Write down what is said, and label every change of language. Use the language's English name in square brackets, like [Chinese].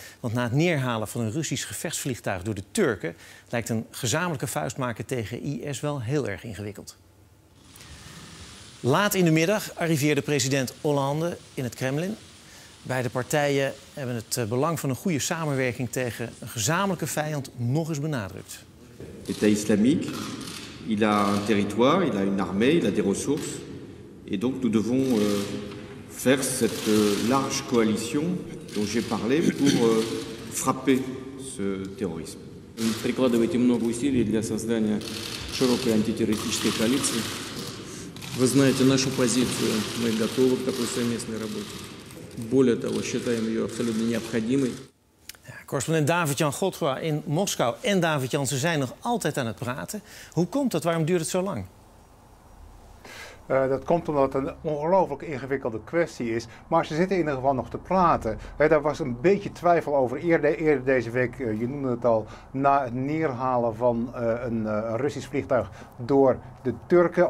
[Dutch] Want na het neerhalen van een Russisch gevechtsvliegtuig door de Turken lijkt een gezamenlijke vuist maken tegen IS wel heel erg ingewikkeld. Laat in de middag arriveerde president Hollande in het Kremlin. Beide partijen hebben het belang van een goede samenwerking tegen een gezamenlijke vijand nog eens benadrukt. Het is islamiek. [French] Il a un territoire, il a une armée, il a des ressources. Et donc nous devons faire cette large coalition dont j'ai parlé pour frapper ce terrorisme. Vous [Russian] прикладываете много усилий для создания широкой антитеррористической коалиции. Вы знаете нашу позицию, мы готовы к такой совместной работе. Более того, считаем ее абсолютно необходимой. [Dutch] Correspondent David-Jan Godfra in Moskou en David-Jan, ze zijn nog altijd aan het praten. Hoe komt dat? Waarom duurt het zo lang? Dat komt omdat het een ongelooflijk ingewikkelde kwestie is. Maar ze zitten in ieder geval nog te praten. Daar was een beetje twijfel over eerder deze week. Je noemde het al, na het neerhalen van een Russisch vliegtuig door de Turken.